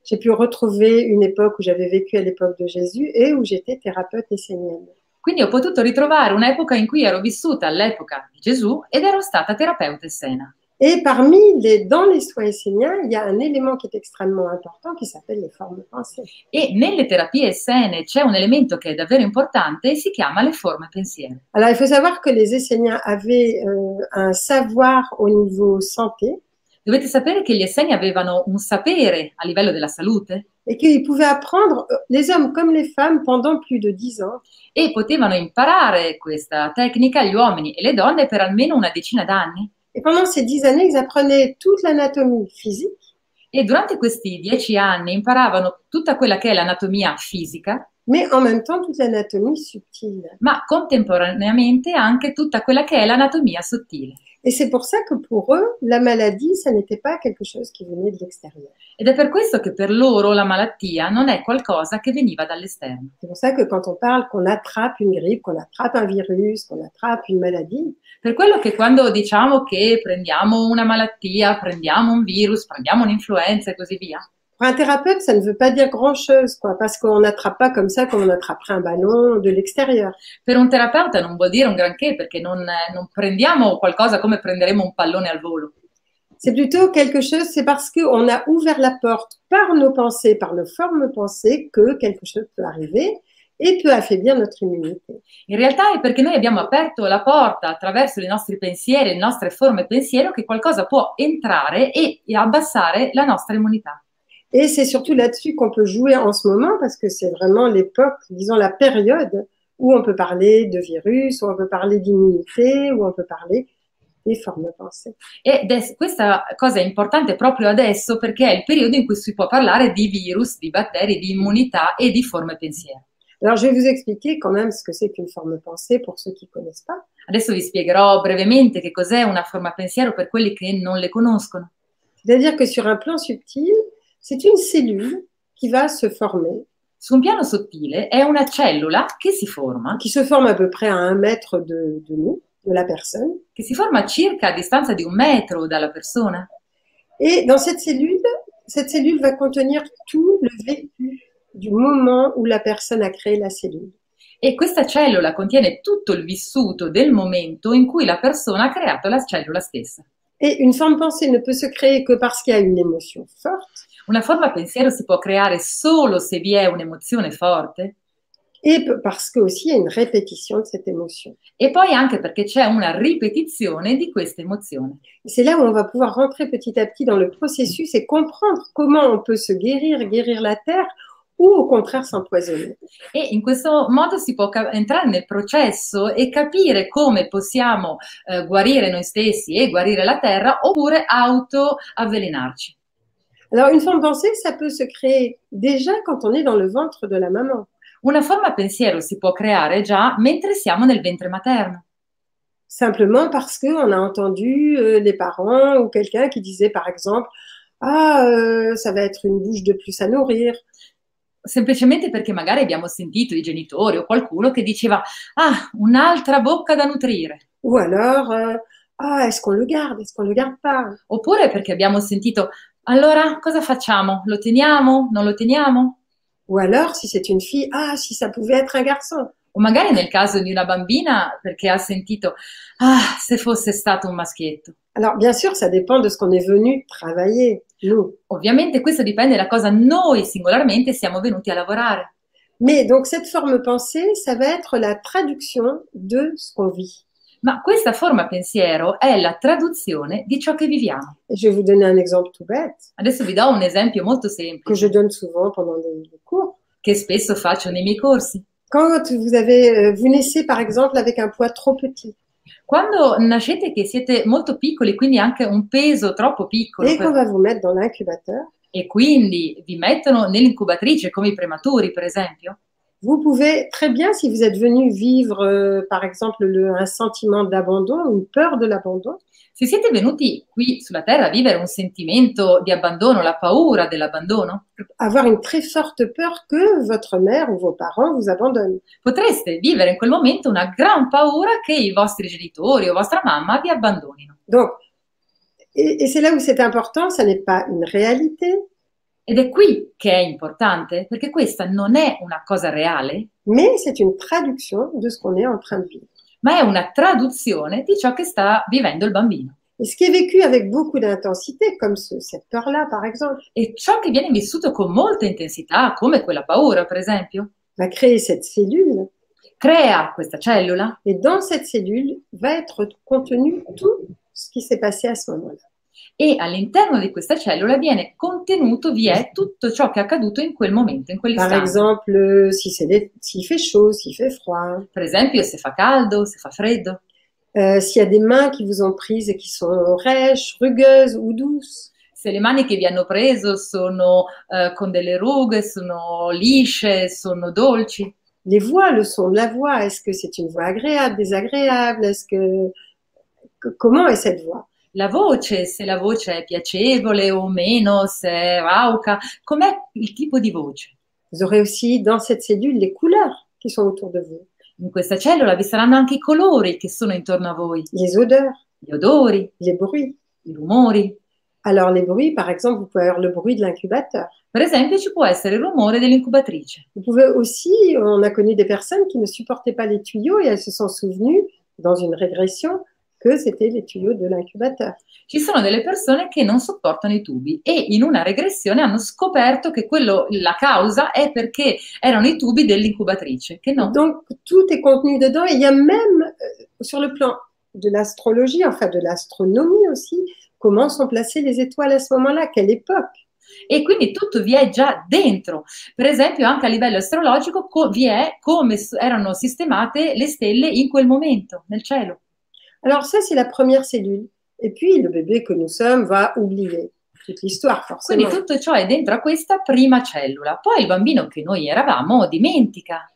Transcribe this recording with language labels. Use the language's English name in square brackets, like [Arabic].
[French] J'ai pu retrouver une époque où j'avais vécu à l'époque de Jésus et où j'étais thérapeute essénienne. [Italian] Quindi ho potuto ritrovare un'epoca in cui ero vissuta all'epoca di Gesù ed ero stata terapeuta essena. [French] Et parmi les dans les soins esséniens, il y a un élément qui est extrêmement important qui s'appelle les formes pensées. [Italian] E nelle terapie essene c'è un elemento che è davvero importante e si chiama le forme pensiero. [French] Alors, il faut savoir que les esséniens avaient un savoir au niveau santé. [Italian] Dovete sapere che gli esseni avevano un sapere a livello della salute. [French] Et qu'ils pouvaient apprendre les hommes comme les femmes pendant plus de 10 ans. [Italian] E potevano imparare questa tecnica gli uomini e le donne per almeno una decina d'anni. [French] Et pendant ces 10 années, ils apprenaient toute l'anatomie physique. [Italian] E durante questi 10 anni imparavano tutta quella che è l'anatomia fisica. [French] Mais en même temps toute l'anatomie subtile. [Italian] Ma contemporaneamente anche tutta quella che è l'anatomia sottile. [French] Et c'est pour ça que pour eux la maladie, ça n'était pas quelque chose qui venait de l'extérieur. [Italian] Ed è per questo che per loro la malattia non è qualcosa che veniva dall'esterno. [French] C'est pour ça que quand on parle qu'on attrape une grippe, qu'on attrape un virus, qu'on attrape une maladie. [Italian] Per quello che quando diciamo che prendiamo una malattia, prendiamo un virus, prendiamo un'influenza e così via. [French] Pour un thérapeute, ça ne veut pas dire grand-chose, quoi, parce qu'on n'attrape pas comme ça comme on attraperait un ballon de l'extérieur. [Italian] Per un terapeuta non vuol dire un granché, perché non prendiamo qualcosa come prenderemo un pallone al volo. [French] C'est plutôt quelque chose, c'est parce qu'on a ouvert la porte par nos pensées, par nos formes pensées, que quelque chose peut arriver. [Italian] E può [French] affaiblir notre [Italian] immunità. In realtà è perché noi abbiamo aperto la porta attraverso i nostri pensieri, le nostre forme pensiero, che qualcosa può entrare e abbassare la nostra immunità. [French] E c'est surtout là-dessus qu'on peut jouer en ce moment, parce que c'est vraiment l'époque, disons la période, où on peut parler de virus, où on peut parler d'immunité, où on peut parler [Italian] di forme pensée. E questa cosa è importante proprio adesso perché è il periodo in cui si può parlare di virus, di batteri, di immunità e di forme pensiero. [French] Alors, je vais vous expliquer quand même ce que c'est qu'une forme pensée pour ceux qui ne connaissent pas. [Italian] Adesso vi spiegherò brevemente che cos'è una forma pensiero per quelli che non le conoscono. [French] C'est-à-dire que sur un plan subtil, c'est une cellule qui va se former. [Italian] Su un piano sottile è una cellula che si forma. [French] Qui se forme à peu près à un mètre de nous, de la personne. [Italian] Che si forma circa a distanza di un metro dalla persona. [French] Et dans cette cellule va contenir tout le vécu du moment où la personne a créé la cellule. [Italian] E questa cellula contiene tutto il vissuto del momento in cui la persona ha creato la cellula stessa. [French] Et une forme pensée ne peut se créer que parce qu'il y a une émotion forte. [Italian] Una forma pensiero si può creare solo se vi è un'emozione forte. [French] Et parce que aussi il y a une répétition de cette émotion. [Italian] E poi anche perché c'è una ripetizione di questa emozione. [French] C'est là où on va pouvoir rentrer petit à petit dans le processus et comprendre comment on peut se guérir la terre. Ou au contraire s'empoisonner. [Italian] E in questo modo si può entrare nel processo e capire come possiamo guarire noi stessi e guarire la terra oppure auto-avvelenarci. [French] Alors une forme pensée ça peut se créer déjà quand on est dans le ventre de la maman. [Italian] Una forma pensiero si può creare già mentre siamo nel ventre materno. [French] Simplement parce que on a entendu les parents ou quelqu'un qui disait par exemple ah ça va être une bouche de plus à nourrir. [Italian] Semplicemente perché magari abbiamo sentito i genitori o qualcuno che diceva ah, un'altra bocca da nutrire. O allora, [French] ah, est-ce qu'on le garde, est-ce qu'on le garde pas? [Italian] Oppure perché abbiamo sentito, allora cosa facciamo? Lo teniamo? Non lo teniamo? O allora, [French] se c'est une fille, ah, si ça pouvait être un garçon. [Italian] O magari nel caso di una bambina perché ha sentito, ah, se fosse stato un maschietto. [French] Alors, bien sûr, ça dépend de ce qu'on est venu travailler, nous. [Italian] Ovviamente, questo dipende da cosa noi singolarmente siamo venuti a lavorare. [French] Mais donc, cette forme pensée, ça va être la traduction de ce qu'on vit. [Italian] Ma questa forma pensiero è la traduzione di ciò che viviamo. [French] Et je vais vous donner un exemple tout bête. [Italian] Adesso vi do un esempio molto semplice. [French] Que je donne souvent pendant les cours. [Italian] Che spesso faccio nei miei corsi. [French] Quand vous naissez, par exemple, avec un poids trop petit. [Italian] Quando nascete che siete molto piccoli, quindi anche un peso troppo piccolo. [French] Et qu'on va vous mettre dans l'incubateur. [Italian] E quindi vi mettono nell'incubatrice, come i prematuri, per esempio. [French] Vous pouvez très bien, si vous êtes venu vivre, par exemple, un sentiment d'abandon, une peur de l'abandon. [Italian] Se siete venuti qui sulla Terra a vivere un sentimento di abbandono, la paura dell'abbandono. [French] Avoir une très forte peur que votre mère ou vos parents vous abandonnent. [Italian] Potreste vivere in quel momento una gran paura che i vostri genitori o vostra mamma vi abbandonino. [French] Donc, et c'est là où c'est important, ça n'est pas une réalité. [Italian] Ed è qui che è importante, perché questa non è una cosa reale. [French] Mais c'est une traduction de ce qu'on est en train de vivre. [Italian] Ma è una traduzione di ciò che sta vivendo il bambino. [French] Et ce qui est vécu avec beaucoup d'intensité, comme cette peur-là, par exemple. [Italian] E ciò che viene vissuto con molta intensità, come quella paura, per esempio. [French] Va créer cette cellule. [Italian] Crea questa cellula. [French] Et dans cette cellule va être contenu tout ce qui s'est passé à ce moment-là. [Italian] E all'interno di questa cellula viene contenuto, vi è tutto ciò che è accaduto in quel momento, in quell'istante. [French] Par exemple, si fait chaud, si fait froid. [Italian] Per esempio, se fa caldo, se fa freddo. [French] S'il y a des mains qui vous ont prises et qui sont rêches, rugueuses ou douces. [Italian] Se le mani che vi hanno preso sono con delle rughe, sono lisce, sono dolci. [French] Les voix, le son de la voix, est-ce que c'est une voix agréable, désagréable, comment est cette voix? [Italian] La voce, se la voce è piacevole o meno, se è rauca, com'è il tipo di voce? [French] Vous aurez aussi dans cette cellule les couleurs qui sont autour de vous. [Italian] In questa cellula vi saranno anche i colori che sono intorno a voi. [French] Les odeurs. [Italian] Gli odori. [French] Les bruits. [Italian] I rumori. [French] Alors les bruits, par exemple, vous pouvez avoir le bruit de l'incubateur. [Italian] Per esempio ci può essere il rumore dell'incubatrice. [French] Vous pouvez aussi, on a connu des personnes qui ne supportaient pas les tuyaux et elles se sont souvenues dans une régression que c'était les tuyaux de l'incubateur. [Italian] Ci sono delle persone che non sopportano i tubi e in una regressione hanno scoperto che quello la causa è perché erano i tubi dell'incubatrice, che no. [French] Donc tout est contenu dedans, il y a même sur le plan de l'astrologie, enfin de l'astronomie aussi, comment sont placées les étoiles à ce moment-là, quelle époque. [Italian] E quindi tutto vi è già dentro. Per esempio, anche a livello astrologico vi è come erano sistemate le stelle in quel momento, nel cielo. [French] Alors ça, c'est la première cellule. Et puis, le bébé que nous sommes va oublier toute l'histoire, forcément. [Italian] Quindi tutto ciò è dentro a questa prima cellula. Poi il bambino che noi eravamo dimentica.